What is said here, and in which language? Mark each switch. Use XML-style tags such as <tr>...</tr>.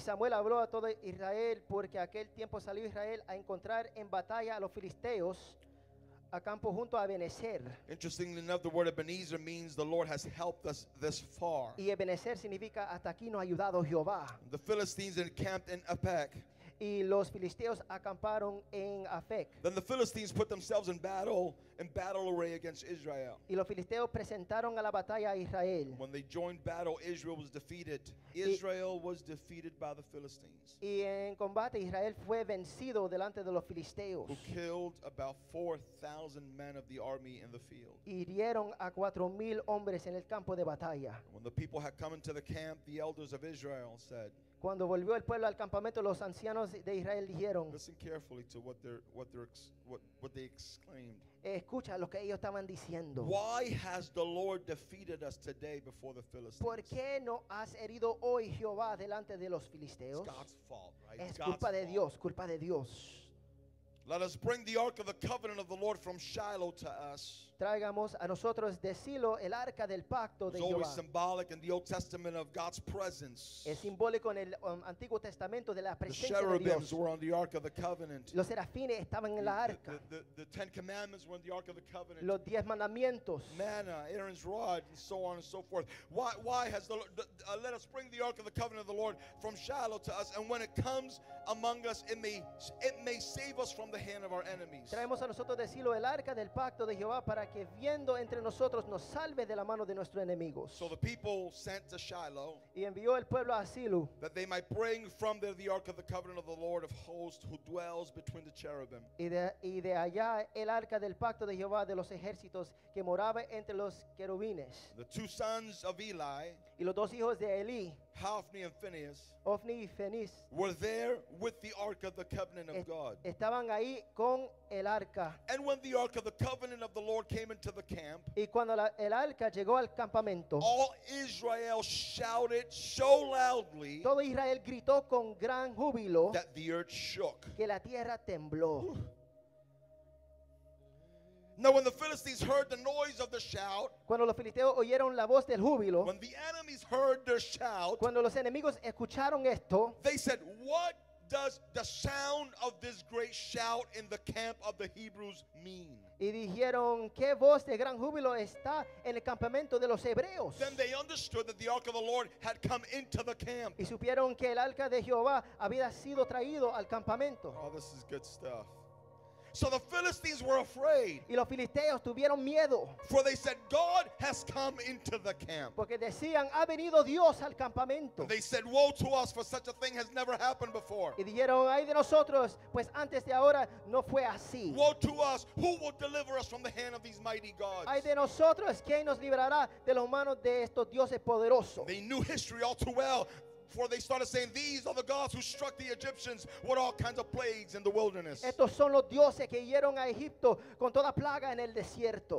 <es>Samuel habló a todo Israel porque aquel tiempo salió Israel a encontrar en batalla a los filisteos. A campo junto a Ebenezer.</es> <en>Interestingly enough, the word Ebenezer means the Lord has helped us this far.</en> <es>Y Ebenezer significa hasta aquí nos ha ayudado Jehová.</es> <en>The Philistines encamped in Aphek.</en> <es>Y los filisteos acamparon en Aphek.</es> <en>Then the Philistines put themselves in battle array against Israel.</en> <es>Y los filisteos presentaron a la batalla a Israel.</es> <en>When they joined battle, Israel was defeated. Israel was defeated by the Philistines.</en> <es>Y en combate Israel fue vencido delante de los filisteos.</es> <en>Who killed about 4,000 men of the army in the field.</en> <es>Y hirieron a 4,000 hombres en el campo de batalla.</es> <en>When the people had come into the camp, the elders of Israel said,</en> <es>Cuando volvió el pueblo al campamento, los ancianos de Israel dijeron,</es> <en>listen carefully to what they exclaimed.</en> <es>Escucha lo que ellos estaban diciendo.</es> <en>Why has the Lord defeated us today before the Philistines?</en> <es>¿Por qué no has herido hoy Jehová delante de los filisteos?</es> <en>It's God's fault, right?</en> <es>Es culpa de Dios, culpa de Dios.</es> <en>Let us bring the ark of the covenant of the Lord from Shiloh to us.</en> <es>Traigamos a nosotros de Silo el arca del pacto de Jehová.</es> <en>It's always symbolic in the Old Testament of God's presence.</en> <es>Es simbólico en el Antiguo Testamento de la presencia de Dios.</es> <en>The cherubims were on the ark of the covenant.</en> <es>Los serafines estaban en la arca.</es> <en>The Ten Commandments were in the ark of the covenant.</en> <es>Los diez mandamientos.</es> <en>Manna, Aaron's rod, and so on and so forth. Why has the Lord, let us bring the ark of the covenant of the Lord from Shiloh to us, and when it comes among us, it may save us from the hand of our enemies.</en> <es>Traemos a nosotros de Silo el arca del pacto de Jehová para que viendo entre nosotros nos salve de la mano de nuestros enemigos.</es> <en>So the people sent to Shiloh,</en> <es>y envió el pueblo a Silo,</es> <en>that they might bring from there the ark of the covenant of the Lord of hosts who dwells between the cherubim.</en> <es>Y de allá el arca del pacto de Jehová de los ejércitos que moraba entre los querubines.</es> <en>The two sons of Eli,</en> <es>y los dos hijos de Eli,</es> <en>Hophni and Phinehas,</en> <es>Hophni y Phinehas,</es> <en>were there with the ark of the covenant of God.</en> <es>Estaban ahí con el arca.</es> <en>And when the ark of the covenant of the Lord came into the camp,</en> <es>y cuando el arca llegó al campamento,</es> <en>all Israel shouted so loudly,</en> <es>todo Israel gritó con gran júbilo,</es> <en>that the earth shook,</en> <es>que la tierra tembló.</es> <en>Now when the Philistines heard the noise of the shout,</en> <es>cuando los filisteos oyeron la voz del júbilo,</es> <en>when the enemies heard their shout,</en> <es>cuando los enemigos escucharon esto,</es> <en>they said, "What does the sound of this great shout in the camp of the Hebrews mean?"</en> <es>Y dijeron, ¿qué voz de gran júbilo está en el campamento de los hebreos?</es> <en>Then they understood that the ark of the Lord had come into the camp.</en> <es>Y supieron que el arca de Jehová había sido traído al campamento.</es> <en>Oh, this is good stuff. So the Philistines were afraid.</en> <es>Y los filisteos tuvieron miedo.</es> <en>For they said, God has come into the camp.</en> <es>Porque decían, ha venido Dios al campamento.</es> <en>And they said, woe to us, for such a thing has never happened before.</en> <es>Y dijeron, ay de nosotros, pues antes de ahora no fue así.</es> <en>Woe to us, who will deliver us from the hand of these mighty gods?</en> <es>Ay de nosotros, ¿quién nos librará de las manos de estos dioses poderosos?</es> <en>They knew history all too well. For they started saying, these are the gods who struck the Egyptians with all kinds of plagues in the wilderness.</en> <es>Estos son los dioses que hirieron a Egipto con toda plaga en el desierto.</es>